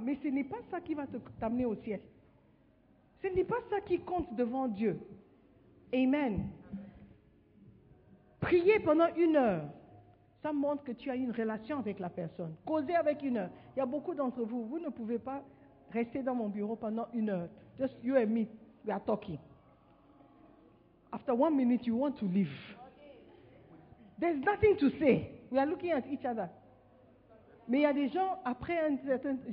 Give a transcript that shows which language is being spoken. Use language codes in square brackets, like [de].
[fr] Mais ce n'est pas ça qui va t'amener au ciel. Ce n'est pas ça qui compte devant Dieu. Amen. Prier pendant une heure, ça montre que tu as une relation avec la personne. Causer avec une heure. Il y a beaucoup d'entre vous, vous ne pouvez pas rester dans mon bureau pendant une heure. [en] Just you and me, we are talking. After 1 minute, you want to leave. There's nothing to say. We are looking at each other. [fr] Mais il y a des gens, après un certain...